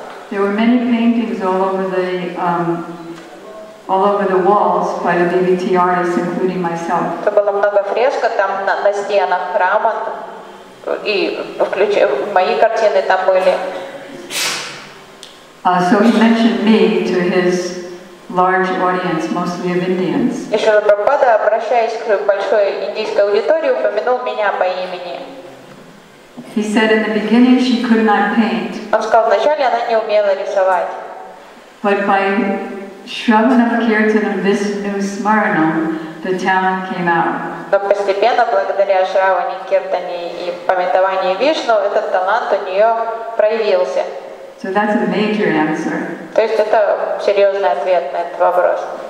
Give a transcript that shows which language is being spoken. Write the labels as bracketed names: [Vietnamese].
[English] There were many paintings all over the walls by the devotee artists, including myself. [Russian] Там было много фреск там на стенах храма. И включив мои картины там были. [English] So he mentioned me to his large audience, mostly of Indians. [Russian] И Шрила Прабхупада, обращаясь к большой индийской аудитории, упомянул меня по имени. [English] He said in the beginning she could not paint. [Russian] Он сказал, вначале она не умела рисовать. [English] But by [Sanskrit] Shravanam Kirtanam Vishnu Smaranam, [English] the talent came out. [Russian] Но постепенно, благодаря Шраване, Киртане и памятованию Вишну, этот талант у нее проявился. [English] So that's a major answer. [Russian] То есть это серьезный ответ на этот вопрос.